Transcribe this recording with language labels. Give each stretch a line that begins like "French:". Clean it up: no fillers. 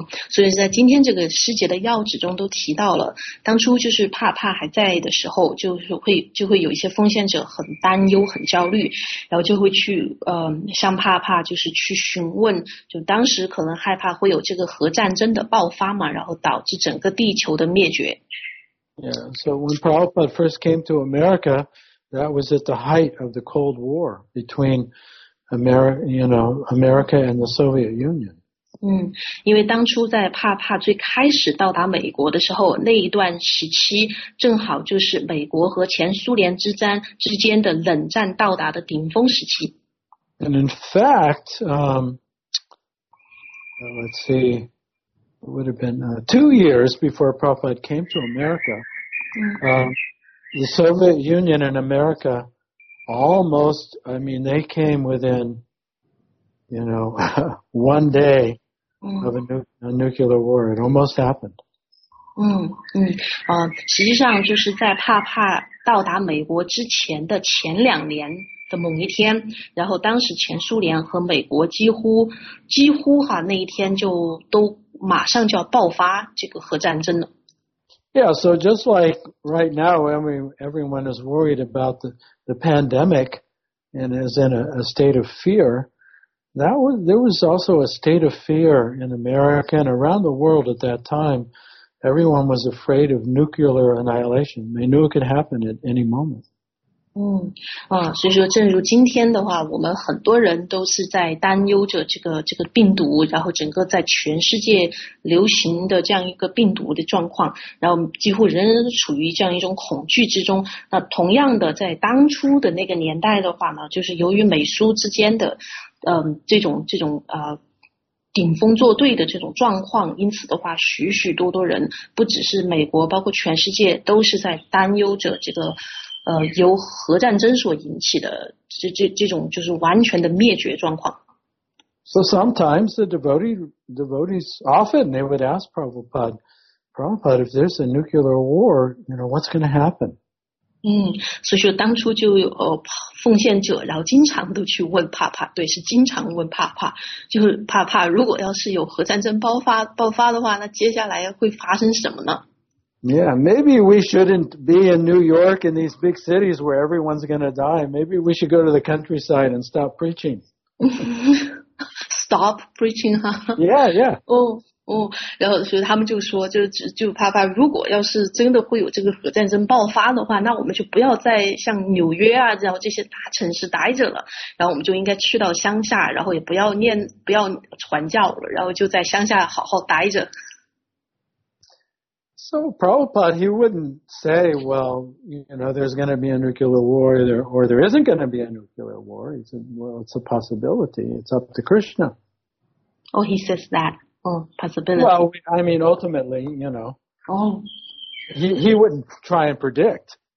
Chinese: 所以在今天这个师节的要旨中都提到了，当初就是帕还在的时候，就会有一些奉献者很担忧、很焦虑，然后就会去向帕就是去询问，就当时可能害怕会有这个核战争的爆发嘛，然后导致整个地球的灭绝。
English: Yeah, so when Prabhupada first came to America, that was at the height of the Cold War between America and the Soviet Union.
Chinese: 因为当初在帕最开始到达美国的时候，那一段时期正好就是美国和前苏联之间的冷战到达的顶峰时期。
English: And in fact, let's see, it would have been 2 years before Prabhupada came to America. The Soviet Union and America almost, I mean, they came within, one day. Of a nuclear war. It almost happened.
Chinese: 实际上就是在帕帕到达美国之前的前两年的某一天，然后当时前苏联和美国几乎哈那一天就都马上就要爆发这个核战争了。
English: Yeah, so just like right now, everyone is worried about the pandemic and is in a state of fear. There was also a state of fear in America and around the world at that time. Everyone was afraid of nuclear annihilation. They knew it could happen at any moment.
Chinese: 所以说正如今天的话，我们很多人都是在担忧着这个病毒，然后整个在全世界流行的这样一个病毒的状况，然后几乎人人都处于这样一种恐惧之中。那同样的，在当初的那个年代的话呢，就是由于美苏之间的这种顶峰作对的这种状况，因此的话，许许多多人不只是美国，包括全世界都是在担忧着这个由核战争所引起的这种就是完全的灭绝状况。
English: So sometimes the devotees often they would ask Prabhupada, if there's a nuclear war, you know, what's going to happen?
Chinese: 所以说当初就有奉献者，然后经常都去问帕帕，对，是经常问帕帕，就是帕帕，如果要是有核战争爆发的话，那接下来会发生什么呢？
English: Yeah, maybe we shouldn't be in New York in these big cities where everyone's going to die. Maybe we should go to the countryside and stop preaching. Stop preaching, huh? Yeah, yeah.
Chinese: 然后所以他们就说，就怕怕，如果要是真的会有这个核战争爆发的话，那我们就不要再像纽约啊，然后这些大城市待着了，然后我们就应该去到乡下，然后也不要念，不要传教了，然后就在乡下好好待着。
English: So Prabhupada, he wouldn't say, well, you know, there's going to be a nuclear war or there isn't going to be a nuclear war. He said, well, it's a possibility. It's up to Krishna. Oh, he says that. Oh, possibility. Well, I mean, ultimately, you know, he wouldn't try and predict.